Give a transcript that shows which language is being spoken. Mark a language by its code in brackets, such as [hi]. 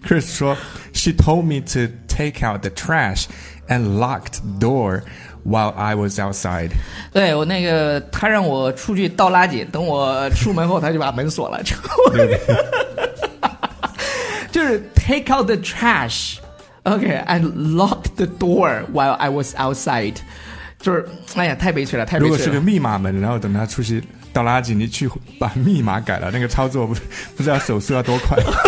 [en] 说 She told me to take out the trash and locked door while I was outside. [zh] 对，我那个他让我出去倒垃圾，等我出门后他就把门锁了。 [en] 就是 take out the trash, okay, and lock the door while I was outside. [zh] 就是哎呀太悲催了，太悲催了。如果是个密码门，然后等他出去倒垃圾，你去把密码改了，那个操作不知道手速要多快。